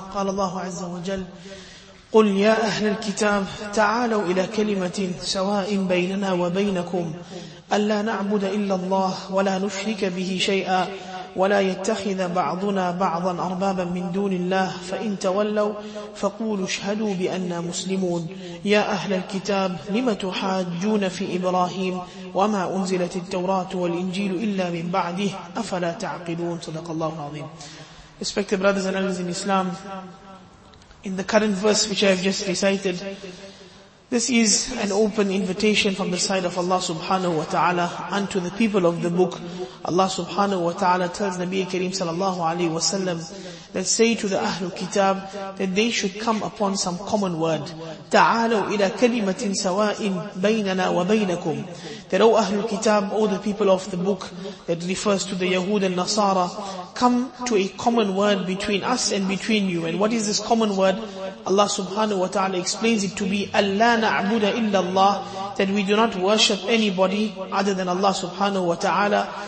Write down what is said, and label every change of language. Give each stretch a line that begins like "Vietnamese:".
Arabic: قال الله عز وجل: قل يا أهل الكتاب تعالوا إلى كلمة سواء بيننا وبينكم ألا نعبد إلا الله ولا نشرك به شيئا ولا يتخذ بعضنا بعضا أربابا من دون الله فإن تولوا فقولوا اشهدوا بأننا مسلمون. يا أهل الكتاب لم تحاجون في إبراهيم وما أنزلت التوراة والإنجيل إلا من بعده أفلا تعقلون. صدق الله العظيم.
English: Respected brothers and elders in Islam, in the current verse which I have just recited, this is an open invitation from the side of Allah subhanahu wa ta'ala unto the people of the book. Allah subhanahu wa ta'ala tells Nabi Kareem sallallahu alayhi wa sallam that say to the Ahlul Kitab that they should come upon some common word.
Arabic: تعالوا إلى كلمة سواء بيننا وبينكم.
English: That O Ahlul Kitab, O the people of the book, that refers to the Yahud and Nasara, come to a common word between us and between you. And what is this common word? Allah subhanahu wa ta'ala explains it to be
Arabic: أَلَّا نَعْبُدَ إِلَّا اللَّهِ,
English: that we do not worship anybody other than Allah subhanahu wa ta'ala.